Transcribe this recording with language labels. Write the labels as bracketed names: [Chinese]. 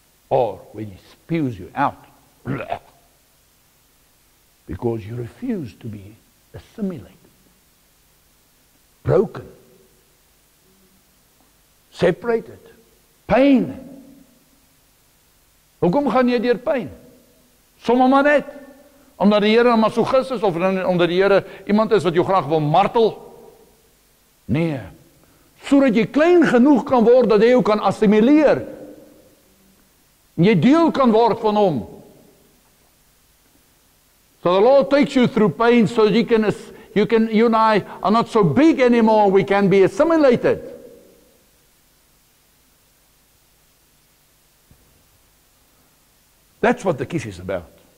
[English] Or when He spews you out, because you refuse to be assimilated, broken, separated, pain. [Afrikaans] Hoekom gaan jy deur pain? Sommige maar net. Omdat die Here 'n masochis is of omdat die Here iemand is wat jou graag wil martel. Nee. Sodat jy klein genoeg kan word dat jy jou kan assimileer. En jy deel kan word van hom. [English] So the Lord takes you through pain so that you and I are not so big anymore, we can be assimilated. That's what the kiss is about.